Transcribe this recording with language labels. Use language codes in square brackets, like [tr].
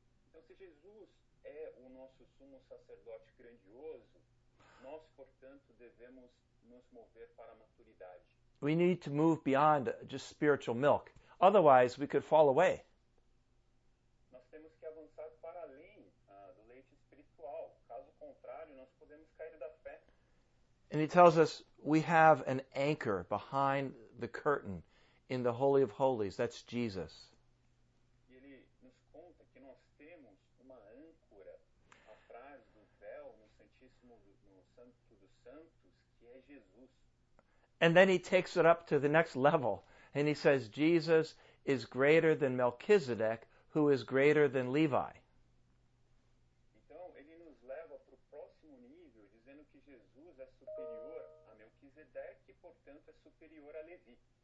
[pt] Então, se Jesus é o nosso sumo sacerdote grandioso, nós, portanto, devemos nos mover para a maturidade. [en] We need to move beyond just spiritual milk. Otherwise, we could fall away. [pt] Nós temos que avançar para além do leite espiritual. Caso contrário, nós podemos cair da fé. [en] And he tells us we have an anchor behind the curtain in the Holy of Holies. That's Jesus. [pt] E ele nos conta que nós temos uma âncora atrás do véu no Santíssimo do Santo dos Santos, que é Jesus. [en] And then he takes it up to the next level, and he says, Jesus is greater than Melchizedek, who is greater than Levi. [pt] Então, ele nos leva para o próximo nível, dizendo que Jesus é superior a Melchizedek, e, portanto, é superior a Levi.